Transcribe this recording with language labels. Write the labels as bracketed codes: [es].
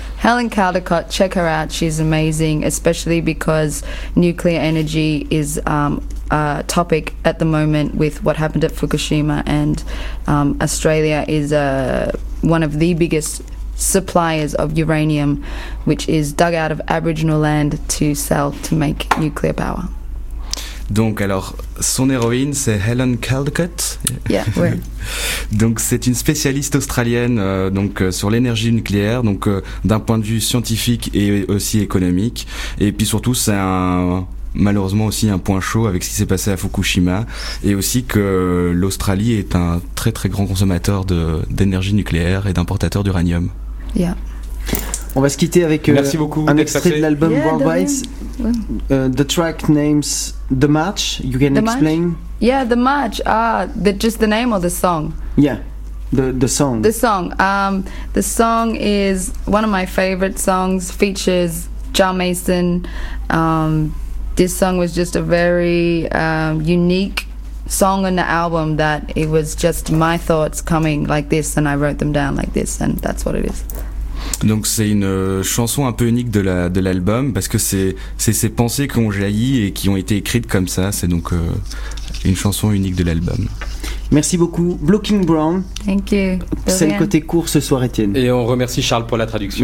[en] Helen Caldicott, check her out. She's amazing, especially because nuclear energy is topic at the moment with what happened at Fukushima, and Australia is one of the biggest suppliers of uranium, which is dug out of Aboriginal land to sell to make nuclear power. [fr] Donc, alors, son héroïne, c'est Helen Caldicott. [en] Yeah, oui. [fr] Donc, c'est une spécialiste australienne sur l'énergie nucléaire, donc d'un point de vue scientifique et aussi économique. Et puis surtout, c'est malheureusement aussi un point chaud avec ce qui s'est passé à Fukushima, et aussi que l'Australie est un très très grand consommateur d'énergie nucléaire et d'importateur d'uranium. [en] Yeah. [fr] On va se quitter avec merci beaucoup, un extrait passé de l'album [en] Worldwide. The track names The March. You can the explain? March? Yeah, The March. Just the name or the song? Yeah, the song. The song. The song is one of my favorite songs. Features Ja Mason. This song was just a very unique song on the album that it was just my thoughts coming like this and I wrote them down like this and that's what it is. [fr] Donc c'est une chanson un peu unique de l'album parce que c'est ces pensées qui ont jailli et qui ont été écrites comme ça. C'est donc une chanson unique de l'album. Merci beaucoup, Blocking Brown. [en] Thank you. [fr] C'est le côté court ce soir, Étienne. Et on remercie Charles pour la traduction.